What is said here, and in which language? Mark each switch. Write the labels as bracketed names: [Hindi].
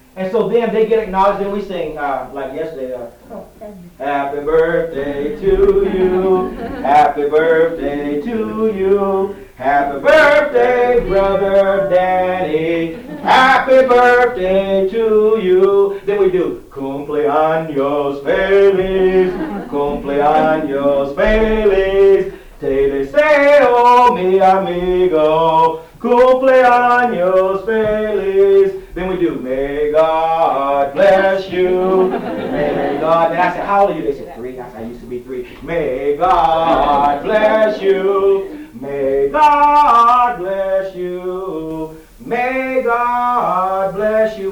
[English] And so then they get acknowledged, and we sing, like yesterday, happy birthday to you, happy birthday to you, happy birthday, brother Danny, happy birthday to you. Then we do, [Spanish] cumpleaños feliz, cumpleaños feliz, te deseo mi amigo, cumpleaños feliz. [English] Then we do, may God bless you. May God. Then I said, how old are you? They said, three. I said, I used to be three. May God bless you. May God bless you. May God bless you.